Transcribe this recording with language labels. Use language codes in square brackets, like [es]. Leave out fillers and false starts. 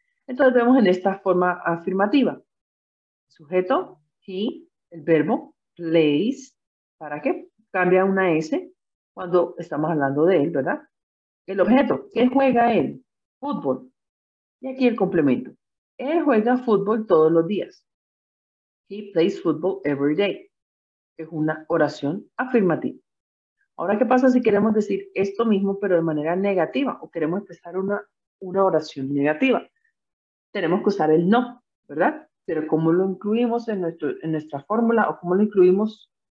[es] Entonces vemos en esta forma afirmativa. Sujeto, he, el verbo, place. ¿Para qué? Cambia una S cuando estamos hablando de él, ¿verdad? El objeto, ¿qué juega él? Fútbol. Y aquí el complemento. Él juega fútbol todos los días. [en] He plays football every day. [es] Es una oración afirmativa. Ahora, ¿qué pasa si queremos decir esto mismo, pero de manera negativa? ¿O queremos empezar una oración negativa? Tenemos que usar el no, ¿verdad? Pero ¿cómo lo incluimos en nuestra fórmula? ¿O cómo lo incluimos?